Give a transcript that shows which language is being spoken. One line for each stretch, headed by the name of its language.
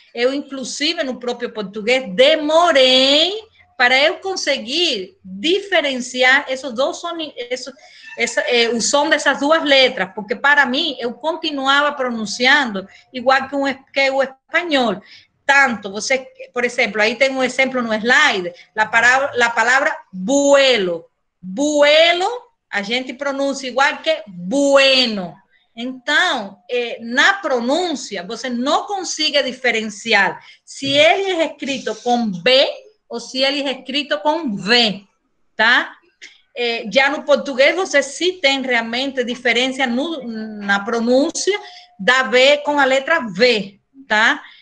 Spanish: Yo inclusive en el propio portugués demoré para
Portuguese: eu conseguir
Spanish: diferenciar esos dos sonidos, el son de esas dos letras, porque para mí yo continuaba pronunciando igual que el español.
Portuguese: Tanto, você, por exemplo, aí tem um exemplo no slide, a palavra buelo. Buelo, a gente pronuncia igual que bueno. Então, na pronúncia, você não consegue diferenciar se ele é escrito com B ou se ele é escrito com V, tá? Já no português, você sim tem realmente diferença na pronúncia da B com a letra V, tá?